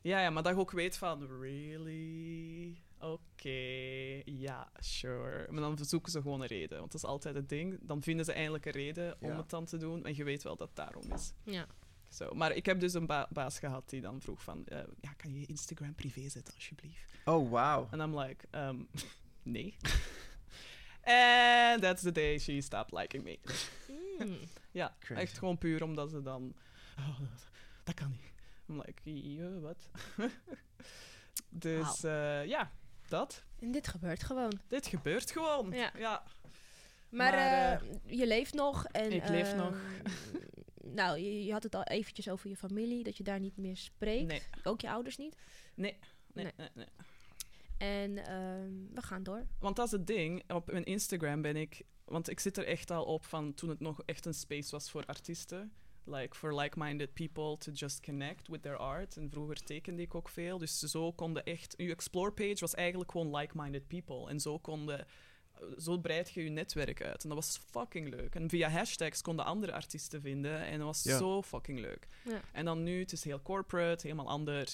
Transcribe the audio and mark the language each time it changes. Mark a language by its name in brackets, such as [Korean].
[Dutch] Ja, maar dat ik ook weet van, really... Oké, ja, sure. Maar dan zoeken ze gewoon een reden. Want dat is altijd het ding. Dan vinden ze eindelijk een reden om het dan te doen. En je weet wel dat het daarom is. Ja. Zo. Maar ik heb dus een baas gehad die dan vroeg van... kan je Instagram privé zetten, alsjeblieft? Oh, wow. [English] En I'm like, nee. And that's the day she stopped liking me. [Dutch] Ja, crazy. Echt gewoon puur omdat ze dan... Oh, dat kan niet. [English] I'm like, [Dutch] wat? Dus dat. En dit gebeurt gewoon. Ja. Ja. Maar je leeft nog. En, ik leef nog. Nou, je had het al eventjes over je familie, dat je daar niet meer spreekt. Nee. Ook je ouders niet? Nee. En we gaan door. Want dat is het ding, op mijn Instagram ben ik... Want ik zit er echt al op van toen het nog echt een space was voor artiesten. [English] Like, for like-minded people to just connect with their art. [Dutch] En vroeger tekende ik ook veel. Dus zo konden echt... Je explore page was eigenlijk gewoon [English] like-minded people. [Dutch] En zo breid je je netwerk uit. En dat was fucking leuk. En via hashtags konden andere artiesten vinden. En dat was zo fucking leuk. [English] Yeah. [Dutch] En dan nu, het is heel corporate, helemaal anders.